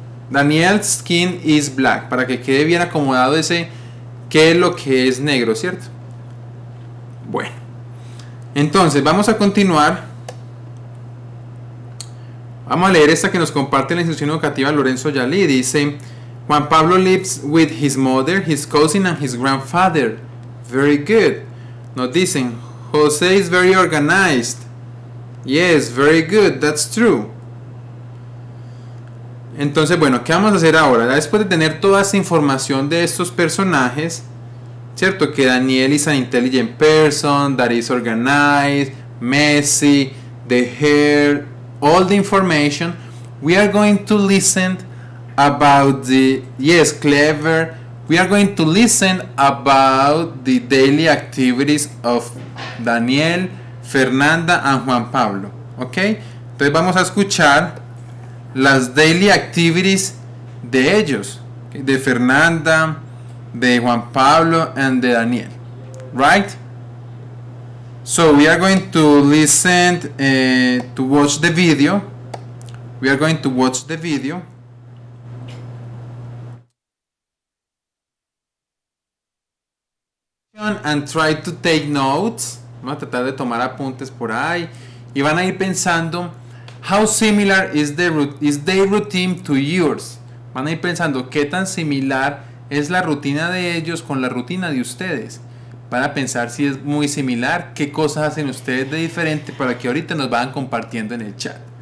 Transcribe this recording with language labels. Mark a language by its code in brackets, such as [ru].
[en] Daniel's skin is black. [es] Para que quede bien acomodado ese qué es lo que es negro, ¿cierto? Bueno. Entonces, vamos a continuar. Vamos a leer esta que nos comparte la institución educativa Lorenzo Yalí. [en] Dice, Juan Pablo lives with his mother, his cousin and his grandfather. Very good. [es] Nos dicen, [en] José is very organized. Yes, very good, that's true. [es] Entonces, bueno, ¿qué vamos a hacer ahora? Después de tener toda esa información de estos personajes, ¿cierto? [en] Que Daniel is an intelligent person, that is organized, messy, the hair, all the information, we are going to listen about the, yes, clever, we are going to listen about the daily activities of Daniel, Fernanda and Juan Pablo, okay? [es] Entonces vamos a escuchar las [en] daily activities [es] de ellos, okay? De Fernanda, de Juan Pablo and de Daniel, right? [en] So we are going to listen to watch the video. We are going to watch the video. And try to take notes. [es] Vamos a tratar de tomar apuntes por ahí. Y van a ir pensando, [en] how similar is the routine to yours? [es] Van a ir pensando, ¿qué tan similar es la rutina de ellos con la rutina de ustedes? Van a pensar si es muy similar, qué cosas hacen ustedes de diferente para que ahorita nos vayan compartiendo en el chat.